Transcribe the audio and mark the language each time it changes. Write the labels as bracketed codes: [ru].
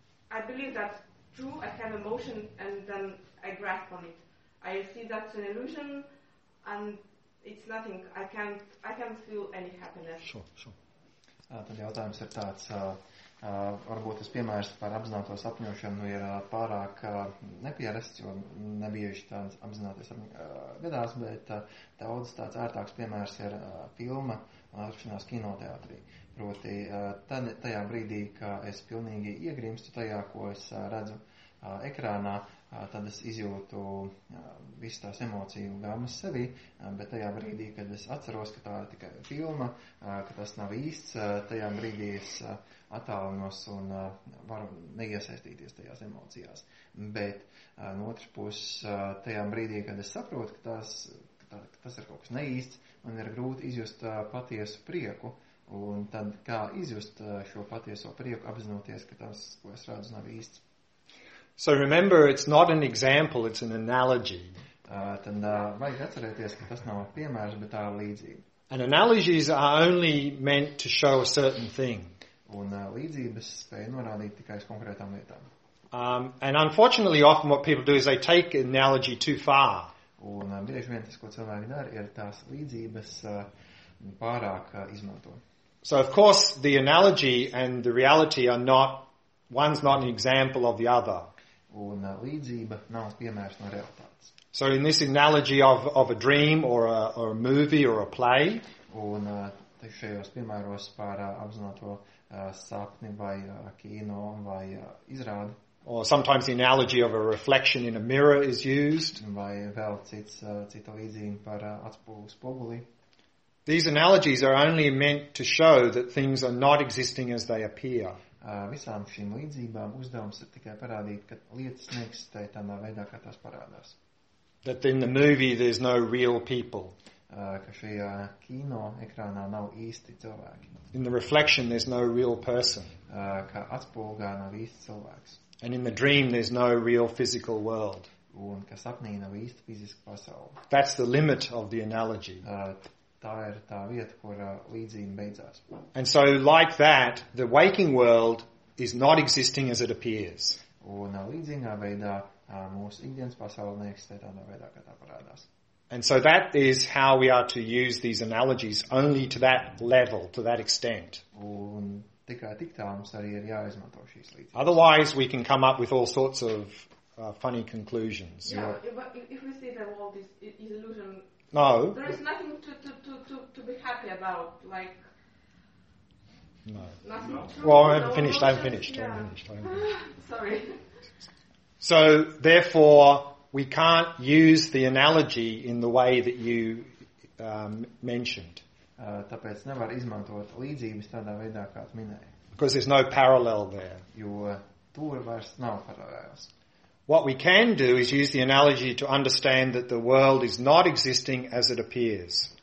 [en] I believe that true, I have emotion and then I grasp on it. I see that's an illusion and it's nothing. I can't feel any happiness. Sure. [lv] Tad jautājums ir tāds, varbūt tas piemērs par apzināto sapņošanu ir pārāk nepierasts, jo nebieži tāds apzināties gadās, bet daudz tāds ērtāks piemērs ir filma un atrašanās kinoteatrī. Proti, tajā brīdī, kā es pilnīgi iegrimstu tajā, ko es redzu ekrānā, tad es izjūtu visu tās emociju gamas sevi, bet tajā brīdī, kad es atceros, ka tā ir tikai filma, ka tas nav īsts, tajā brīdī es attālinos un varu neiesaistīties tajās emocijās. Bet no otras puses, tajā brīdī, kad es saprotu, ka tas ir kaut kas neīsts, man ir grūti izjust patiesu prieku. Un tad kā izjust šo patieso prieku, apzinoties, ka tas, ko es redzu, nav īsts. [en] So remember, it's not an example, it's an analogy. [lv] Tad vajag atcerēties, ka tas nav piemērs, bet tā ir līdzība. [en] And analogies are only meant to show a certain thing. [lv] Un līdzības spēja norādīt tikai uz konkrētām lietām. [en] And unfortunately, often what people do is they take an analogy too far. [lv] Un bieži vien tas, ko cilvēki dara, ir tās līdzības pārāk izmanto. [en] So of course the analogy and the reality are not, one's not an example of the other. [lv] Un līdzība nav piemērs no realitātes. [en] So in this analogy of a dream or a movie or a play, [lv] un šajos piemēros par apzināto sapni vai kino vai izrādi, [en] or sometimes the analogy of a reflection in a mirror is used, [lv] vai vēl cita līdzība par atspoguli spoguli. [en] These analogies are only meant to show that things are not existing as they appear. [lv] Visām šīm līdzībām uzdevums ir tikai parādīt, ka lietas neeksistē tādā veidā, kā tās parādās. [en] That in the movie there's no real people. [lv] Ka šajā kino ekrānā nav īsti cilvēki. [en] In the reflection there's no real person. [lv] Ka atspulgā nav īsti cilvēks. [en] And in the dream there's no real physical world. [lv] Un ka sapnī nav īsti fiziska pasaule. [en] That's the limit of the analogy. [lv] Tā ir tā vieta, kur līdzība beidzās. [en] And so like that, the waking world is not existing as it appears. [lv] Un līdzīgā veidā mūsu ikdienas pasaule neeksistē tādā veidā, kā tā parādās. [en] And so that is how we are to use these analogies only to that level, to that extent. [lv] Un tikai tik tā mums arī ir jāizmanto šīs līdzības. [en] Otherwise we can come up with all sorts of funny conclusions. Yeah, but if we see the world is illusion, no, there is nothing to be happy about, like. No. Nothing. Well, I haven't finished. Sorry. So therefore, we can't use the analogy in the way that you mentioned. [lv] Tāpēc nevar izmantot līdzības tādā veidā, kā tu minēji. [en] Because there's no parallel there. [lv] Jo tur vairs nav paralēles. [en] What we can do is use the analogy to understand that the world is not existing as it appears.